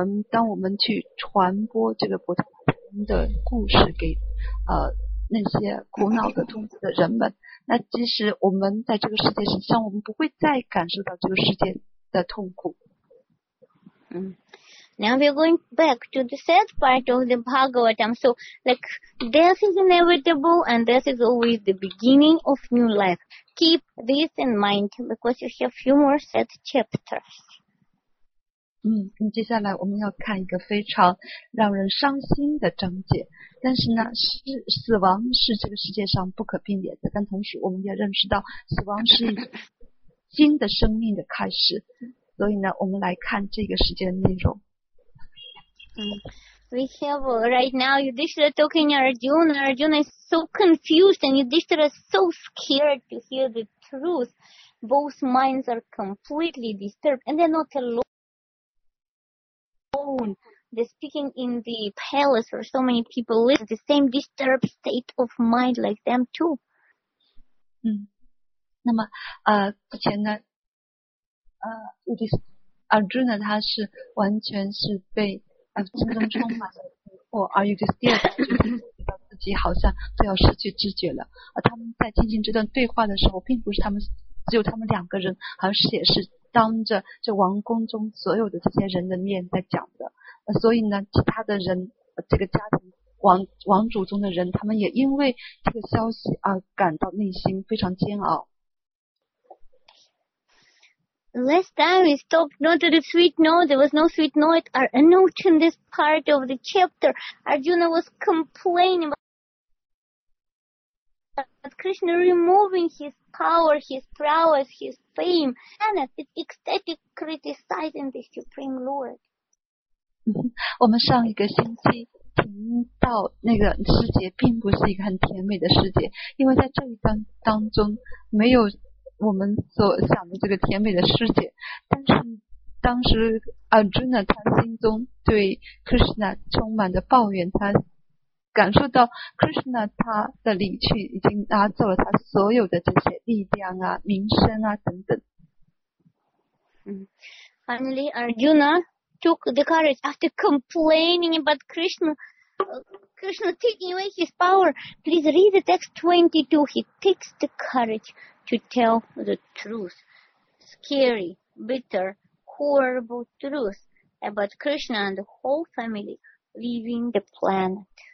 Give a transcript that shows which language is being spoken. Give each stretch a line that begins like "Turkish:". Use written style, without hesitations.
Chinese: 当我们去传播这个佛陀的故事给那些苦恼的痛苦的人们，那即使我们在这个世界上，像我们不会再感受到这个世界的痛苦。
English: Now we're going back to the third part of the Bhagavatam. So, like, death is inevitable and death is always the beginning of new life. Keep this in mind because you have a few more set chapters.
Chinese: 嗯，接下来我们要看一个非常让人伤心的章节，但是呢，死亡是这个世界上不可避免的，但同时我们也认识到死亡是一个新的生命的开始，所以呢，我们来看这个世界的内容。
English: We have right now Yudhishthira talking to Arjuna. Arjuna is so confused and Yudhishthira is so scared to hear the truth. Both minds are completely disturbed and they're not alone. They're speaking in the palace where so many people live. The same disturbed state of mind like them too.
Chinese: 那么之前呢Arjuna 他是完全是被心中充满了疑惑，而 Yudhishthira 觉得自己好像都要失去知觉了。而他们在进行这段对话的时候，并不是他们只有他们两个人，而是也是当着这王宫中所有的这些人的面在讲的。所以呢，其他的人，这个家庭王主中的人，他们也因为这个消息而感到内心非常煎熬。
English: Last time we stopped, not at a sweet note, there was no sweet note or a note in this part of the chapter. Arjuna was complaining about Krishna removing his power, his prowess, his fame, and is ecstatic criticizing the Supreme Lord.
Chinese: 我们上一个星期听到那个师姐并不是一个很甜美的师姐，因为在这一段当中没有我们所想的这个甜美的世界，但是当时 Arjuna 他心中对 Krishna 充满的抱怨，他感受到 Krishna 他的离去已经拿走了他所有的这些力量啊、名声啊等等。
English: Finally, Arjuna took the courage after complaining about Krishna. Krishna taking away his power. Please read the text 22. He takes the courage to tell the truth. Scary, bitter, horrible truth about Krishna and the whole family leaving the planet.